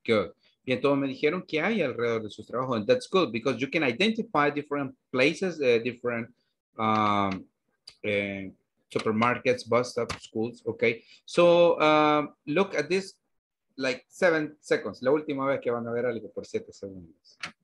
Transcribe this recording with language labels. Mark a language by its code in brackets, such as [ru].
[es] Y entonces me dijeron que hay alrededor de sus trabajos. [en] And that's good because you can identify different places, different supermarkets, bus stops, schools. Okay. So look at this like 7 seconds. [es] La última vez que van a ver algo por 7 segundos.